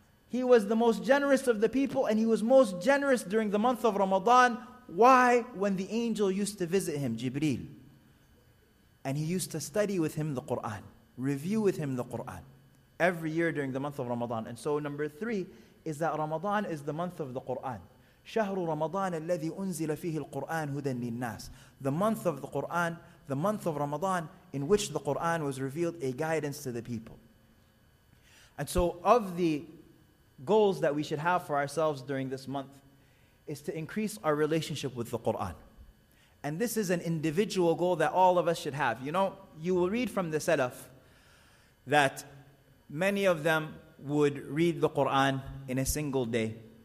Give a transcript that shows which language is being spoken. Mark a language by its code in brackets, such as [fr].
[en] He was the most generous of the people, and he was most generous during the month of Ramadan. Why? When the angel used to visit him, Jibreel, and he used to study with him the Qur'an, review with him the Qur'an every year during the month of Ramadan. And so number three is that Ramadan is the month of the Qur'an. [ar] شهر رمضان الذي أنزل فيه القرآن هدى للناس. [en] The month of the Quran, the month of Ramadan, in which the Quran was revealed, a guidance to the people. And so of the goals that we should have for ourselves during this month is to increase our relationship with the Qur'an. And this is an individual goal that all of us should have. You know, you will read from the Salaf that many of them would read the Qur'an in a single day.